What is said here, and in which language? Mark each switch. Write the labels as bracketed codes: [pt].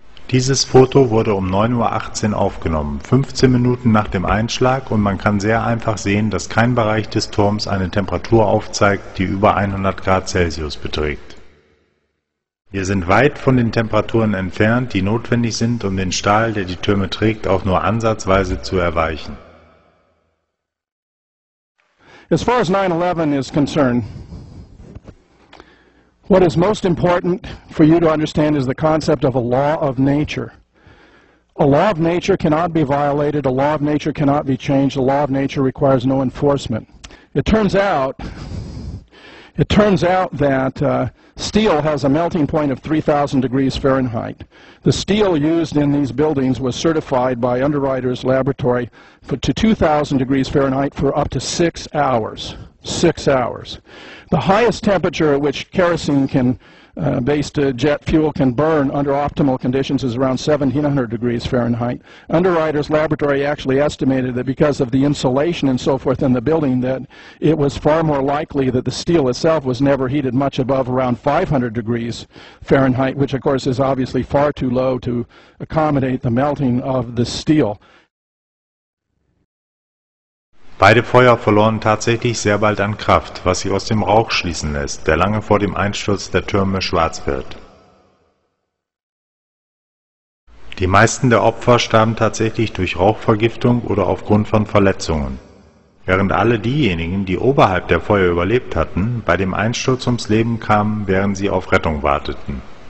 [de] Dieses Foto wurde um 9.18 Uhr aufgenommen, 15 Minuten nach dem Einschlag, und man kann sehr einfach sehen, dass kein Bereich des Turms eine Temperatur aufzeigt, die über 100 Grad Celsius beträgt. Wir sind weit von den Temperaturen entfernt, die notwendig sind, um den Stahl, der die Türme trägt, auch nur ansatzweise zu erweichen. [en] As far as 9/11 is concerned, what is most important for you to understand is the concept of a law of nature. A law of nature cannot be violated, a law of nature cannot be changed, a law of nature requires no enforcement. It turns out that steel has a melting point of 3,000 degrees Fahrenheit. The steel used in these buildings was certified by Underwriters Laboratory to 2,000 degrees Fahrenheit for up to 6 hours. 6 hours. The highest temperature at which kerosene can, based jet fuel can burn under optimal conditions is around 1,700 degrees Fahrenheit. Underwriters Laboratory actually estimated that because of the insulation and so forth in the building, that it was far more likely that the steel itself was never heated much above around 500 degrees Fahrenheit, which of course is obviously far too low to accommodate the melting of the steel. [de] Beide Feuer verloren tatsächlich sehr bald an Kraft, was sie aus dem Rauch schließen lässt, der lange vor dem Einsturz der Türme schwarz wird. Die meisten der Opfer starben tatsächlich durch Rauchvergiftung oder aufgrund von Verletzungen, während alle diejenigen, die oberhalb der Feuer überlebt hatten, bei dem Einsturz ums Leben kamen, während sie auf Rettung warteten.